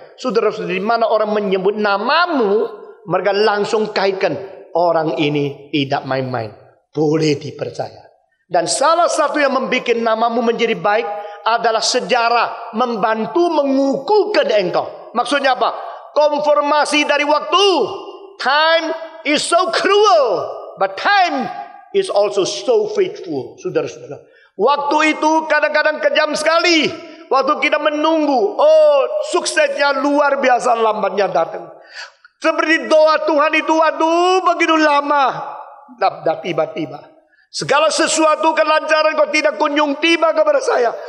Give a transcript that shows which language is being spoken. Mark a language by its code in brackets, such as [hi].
[id] Saudara-saudara, di mana orang menyebut namamu, mereka langsung kaitkan, orang ini tidak main-main. Boleh dipercaya. Dan salah satu yang membuat namamu menjadi baik, adalah sejarah membantu mengukuhkan engkau. Maksudnya apa? Konfirmasi dari waktu. [en] Time is so cruel, but time is also so faithful. [id] Saudara-saudara, waktu itu kadang-kadang kejam sekali. Waktu kita menunggu, suksesnya luar biasa lambatnya datang. Seperti doa Tuhan itu, begitu lama. Tidak tiba-tiba. Segala sesuatu kelancaran kau tidak kunjung tiba kepada saya.